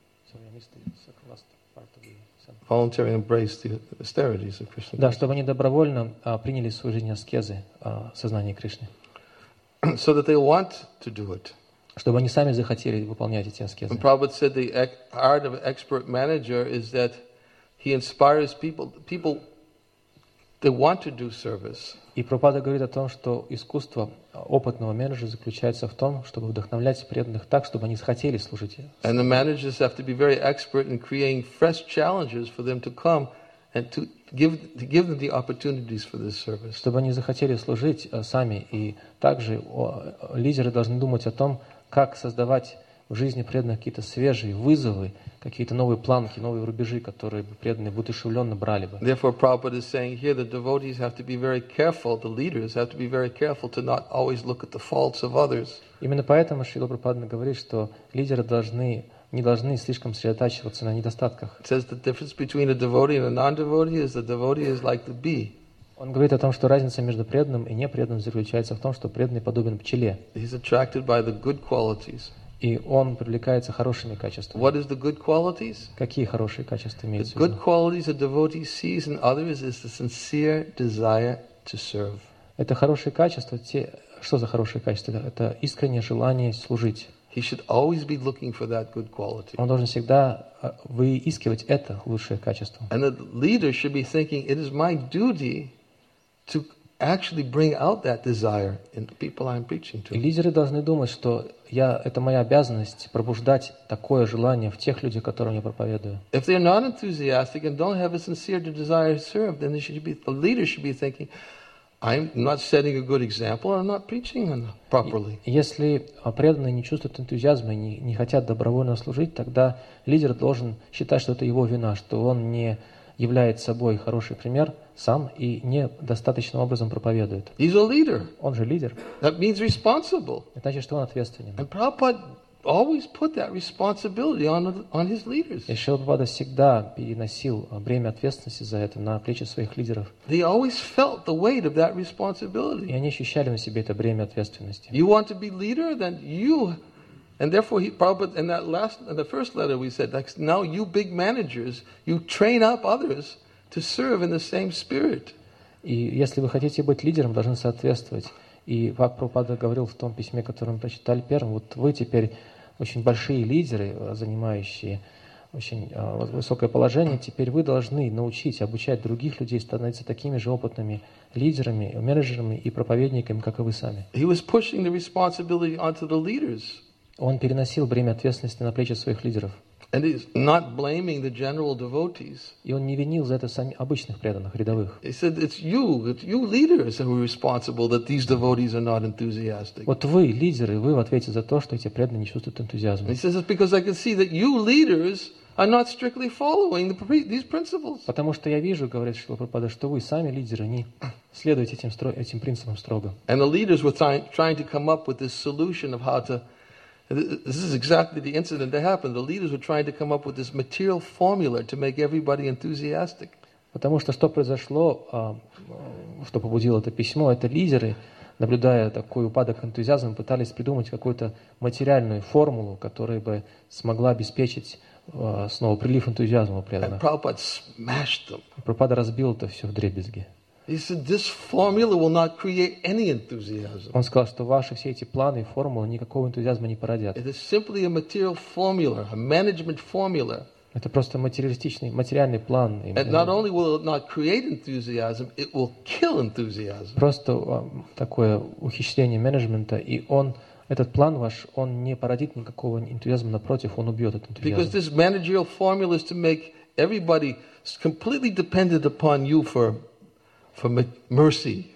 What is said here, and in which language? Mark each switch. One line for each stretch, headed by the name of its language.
English: Sorry, I missed the second last part of the sentence. Voluntarily embrace the austerities of Krishna.
Russian: Да, чтобы они добровольно приняли в свою жизнь аскезы сознания Кришны.
English: So that they want to do it.
Russian: Чтобы они сами захотели выполнять эти аскезы.
English: Prabhupada said the art of expert manager is that he inspires people they want to do service.
Russian: И Прабхупада говорит о том, что искусство опытного менеджера заключается в том, чтобы вдохновлять преданных так, чтобы они хотели служить.
English: And the managers have to be very expert in creating fresh challenges for them to come and to give them the opportunities for this service.
Russian: Чтобы они захотели служить сами, и также лидеры должны думать о том, как создавать в жизни преданных какие-то свежие вызовы, какие-то новые планки, новые рубежи, которые преданные воодушевленно брали бы.
English: Therefore, Prabhupada is saying here that devotees have to be very careful, the leaders have to be very careful to not always look at the faults of others.
Russian: Именно поэтому Шрила Прабхупада говорит, что лидеры не должны слишком сосредотачиваться на недостатках.
English: It says the difference between a devotee and a non-devotee is the devotee is like the bee.
Russian: Он говорит о том, что разница между преданным и непреданным заключается в том, что преданный подобен пчеле.
English: He's attracted by the good qualities.
Russian: И он привлекается хорошими качествами.
English: What is the good qualities?
Russian: Какие хорошие качества имеются?
English: The good qualities a devotee sees in others is the sincere desire to serve.
Russian: Это хорошие качества. Что за хорошие качества? Это искреннее желание служить.
English: He should always be looking for that good quality.
Russian: Он должен всегда выискивать это лучшее качество.
English: And the leader should be thinking, it is my duty to actually bring out that desire in the people I'm preaching to.
Russian: Лидеры должны думать, что я это моя обязанность пробуждать такое желание в тех людях, которым я проповедую.
English: If they're not enthusiastic and don't have a sincere desire to serve, then the leader should be thinking, I'm not setting a good example, I'm not preaching properly.
Russian: Если преданные не чувствуют энтузиазма и не хотят добровольно служить, тогда лидер должен считать, что это его вина, что он не являет собой хороший пример сам и недостаточным образом проповедует.
English: He's a leader.
Russian: Он же лидер.
English: That means responsible.
Russian: Это значит, что он ответственен.
English: And Prabhupada always put that responsibility on his leaders.
Russian: И Шрила Прабхупада всегда переносил бремя ответственности за это на плечи своих лидеров.
English: They always felt the weight of that responsibility.
Russian: И они ощущали на себе это бремя ответственности.
English: You want to be leader, then you. And therefore, Prabhupada, in the first letter, we said, now you big managers, you train up others to serve in the same spirit.
Russian: И если вы хотите быть лидером, должны соответствовать. И как Прабхупада говорил в том письме, которое мы прочитали первым, вот вы теперь очень большие лидеры, занимающие очень высокое положение, теперь вы должны научить, обучать других людей становиться такими же опытными лидерами, менеджерами и проповедниками, как и вы сами.
English: He was pushing the responsibility onto the leaders.
Russian: Он переносил бремя ответственности на плечи своих лидеров.
English: And he's not blaming the general devotees.
Russian: И он не винил за это сами обычных преданных, рядовых.
English: He said, it's you leaders who are responsible that these devotees are not enthusiastic.
Russian: Вот вы, лидеры, вы в ответе за то, что эти преданные не чувствуют энтузиазма.
English: He says, it's because I can see that you leaders are not strictly following these principles.
Russian: Потому что я вижу, говорит Шрила Прабхупада, что вы сами лидеры не следуете этим принципам строго.
English: And the leaders were trying to come up with this solution of how to. This is exactly the incident that happened. The leaders were trying to come up with this material formula to make everybody enthusiastic.
Russian: Потому что произошло, что побудило это письмо, это лидеры, наблюдая такой упадок энтузиазма, пытались придумать какую-то материальную формулу, которая бы смогла обеспечить снова прилив энтузиазма преданных.
English: And Prabhupada smashed them.
Russian: Прабхупада разбил это все вдребезги.
English: He said, "This formula will not create any enthusiasm."
Russian: Он сказал, что ваши все эти планы и формулы никакого энтузиазма не породят.
English: It is simply a material formula, a management formula.
Russian: Это просто материалистичный, материальный план.
English: And not only will it not create enthusiasm, it will kill enthusiasm.
Russian: Просто такое ухищрение менеджмента, и он этот план ваш, он не породит никакого энтузиазма, напротив, он убьет этот энтузиазм.
English: Because this managerial formula is to make everybody completely dependent upon you for mercy.